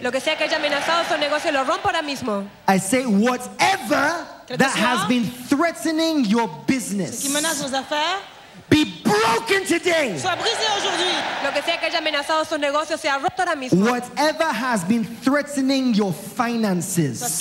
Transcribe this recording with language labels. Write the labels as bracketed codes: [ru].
[es] Lo que sea que haya amenazado su negocio, lo rompo ahora mismo. [en] I say whatever that has been threatening your business. [fr] Qui menace vos affaires, [en] be broken today. [fr] Soit brisé aujourd'hui. [es] Lo que sea que haya amenazado su negocio, sea roto ahora mismo. [en] Whatever has been threatening your finances.